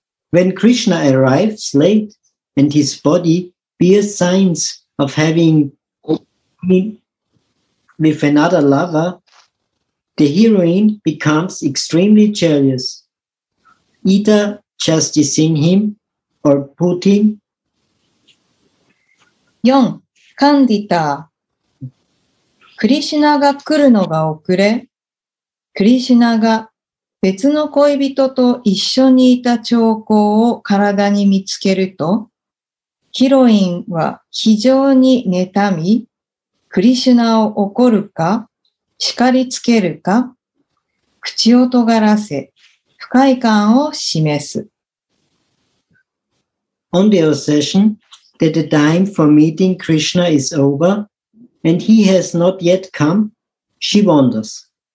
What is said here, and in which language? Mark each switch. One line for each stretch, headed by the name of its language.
English: When Krishna arrives late and his body bears signs of having been with another lover, the heroine becomes extremely jealous, either chastising him or putting
Japanese: 4. カンディター。クリシュナが来るのが遅れ、クリシュナが別の恋人と一緒にいた兆候を体に見つけると、ヒロインは非常に妬み、クリシュナを怒るか、叱りつけるか、口を尖らせ、不快感を示す。
English: On the occasion that the time for meeting Krishna is over and he has not yet come, she wonders.